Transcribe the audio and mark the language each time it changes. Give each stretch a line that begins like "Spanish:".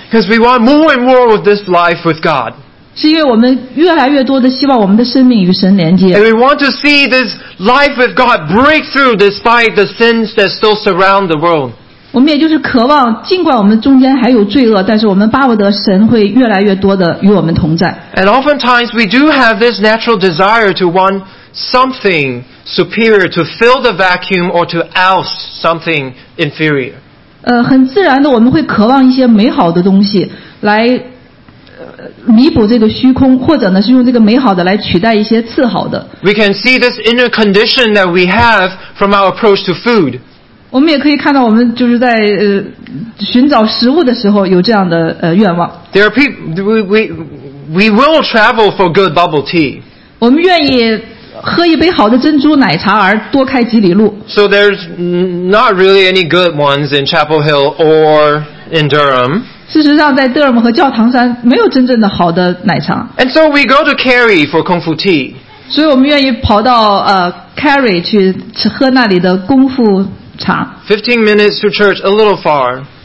English: ，Because we want more and more of this life with God.
Chinese: 是因为我们越来越多的希望我们的生命与神连接。
English: And we want to see this life with God break through despite the sins that still surround the world.
Chinese: 我们也就是渴望，尽管我们中间还有罪恶，但是我们巴不得神会越来越多的与我们同在。
English: And oftentimes we do have this natural desire to want something. Superior to fill the vacuum or to oust something inferior.
Chinese: 很自然的，我们会渴望一些美好的东西来弥补这个虚空，或者呢是用这个美好的来取代一些次好的。
English: We can see this inner condition that we have from our approach to food.
Chinese: 我们也可以看到，我们就是在寻找食物的时候有这样的愿望。
English: There are people we will travel for good bubble tea.
Chinese: 我们愿意。喝一杯好的珍珠奶茶而多开几里路。
English: So there's not really any good ones in Chapel Hill or in Durham.
Chinese: 事实上，在德尔姆和教堂山没有真正的好的奶茶。
English: And so we go to Kerry for Kung Fu Tea.
Chinese: 所以我们愿意跑到Kerry 去喝那里的功夫茶。
English: 15 minutes to church, a little far.